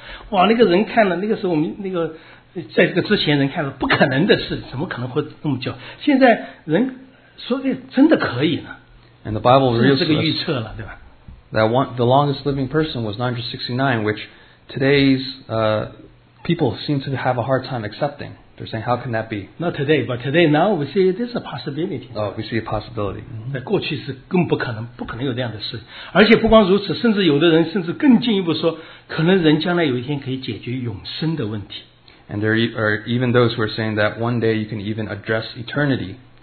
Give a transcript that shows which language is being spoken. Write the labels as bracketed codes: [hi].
[zh] 在3500年前，圣经就告诉人可以活到969，最长寿的那个。哇，那个人看了，那个时候我们那个。在这个之前人看了不可能的事，怎么可能会那么久？现在人说的真的可以呢？And [en] the Bible reveals [zh] this预测了，对吧？ [en] That one, the longest living person was 969, which today's people seem to have a hard time accepting. They're saying, how can that be? Not today, but today now we see this is a possibility. Oh, we see a possibility. [zh] 过去是更不可能有这样的事，而且不光如此，甚至有的人甚至更进一步说，可能人将来有一天可以解决永生的问题。 [en] And there are even those who are saying that one day you can even address eternity.